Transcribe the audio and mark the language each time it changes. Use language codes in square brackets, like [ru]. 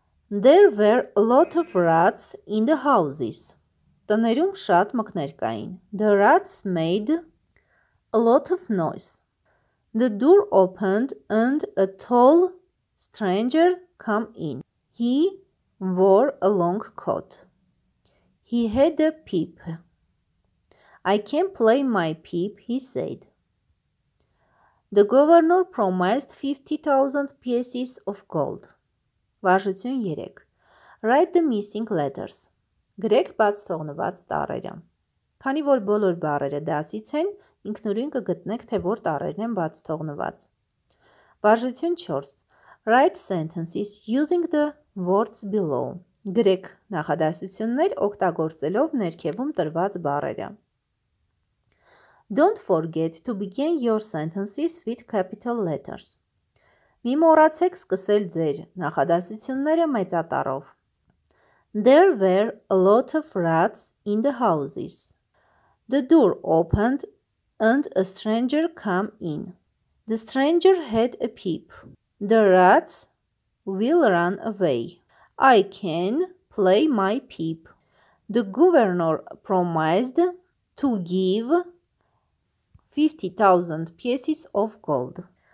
[en] There were a lot of rats in the houses. [hy] Տներում շատ մկներ կային. [en] The rats made a lot of noise. The door opened and a tall stranger came in. He wore a long coat. He had a peep. I can't play my peep, he said. The governor promised 50,000 pieces of gold. [hy] Վարժություն 3. [en] Write the missing letters. [hy] Գրեք բաց թողնված տառերը։ Քանի որ բոլոր բառերը դասից են, ինքնուրույն կգտնեք, թե որ տառերն են բաց թողնված։ Վարժություն 4. [en] Write sentences using the words below. [hy] Գրեք նախադասություններ օգտագործելով ներքևում տրված բառերը։ [en] Don't forget to begin your sentences with capital letters. [hy] Մի մոռացեք սկսել ձեր նախադասությունները մեծատառով։ [en] There were a lot of rats in the houses. The door opened and a stranger came in. The stranger had a peep. The rats will run away. I can play my peep. The governor promised to give 50,000 pieces of gold.